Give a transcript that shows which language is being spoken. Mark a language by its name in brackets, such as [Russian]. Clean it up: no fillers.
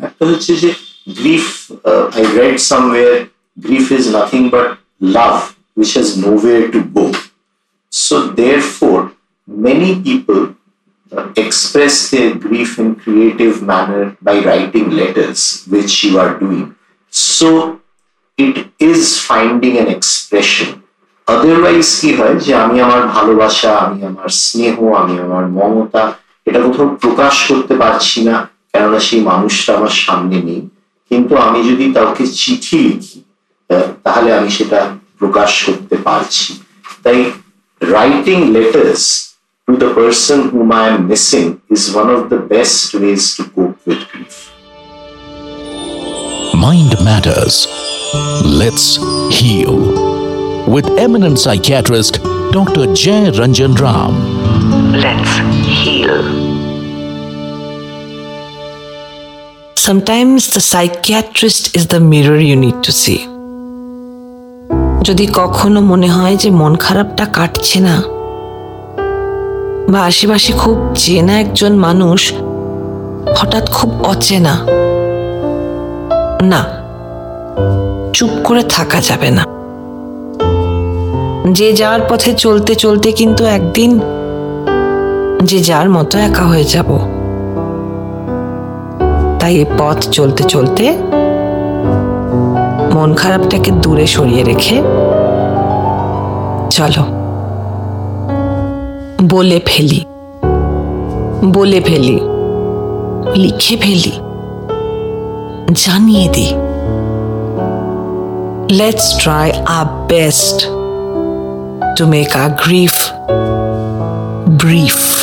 [Bangla] Ekta hocche je [English] grief, I read somewhere, grief is nothing but love which has nowhere to go. So therefore, many people express their grief in creative manner by writing letters, which you are doing. So it is finding an expression. [Bangla] Otherwise কি হয় যে আমি আমার ভালোবাসা, আমি আমার স্নেহ, আমি আমার মমতা এটা কোথাও প্রকাশ করতে পারছি না, কেননা সেই মানুষটা আমার সামনে নেই। কিন্তু আমি যদি তাকে চিঠি লিখি, তাহলে আমি সেটা প্রকাশ করতে পারছি। তাই [English] writing letters to the person whom I am missing is one of the best ways to cope with grief. Mind Matters. Let's heal. With eminent psychiatrist, Dr. Jay Ranjan Ram. Let's heal. Sometimes the psychiatrist is the mirror you need to see. [Bangla] যদি কখনো মনে হয় যে মন খারাপটা কাটছে না বা আশেপাশে খুব চেনা একজন মানুষ হঠাৎ খুব অচেনা, না, চুপ করে থাকা যাবে না। যে যার পথে চলতে চলতে কিন্তু একদিন যে যার মতো একা হয়ে যাব, তাই এ পথ চলতে চলতে মন খারাপটাকে দূরে সরিয়ে রেখে চলো বলে ফেলি, লিখে ফেলি, জানিয়ে দি। [English] Let's try our best to make our grief brief.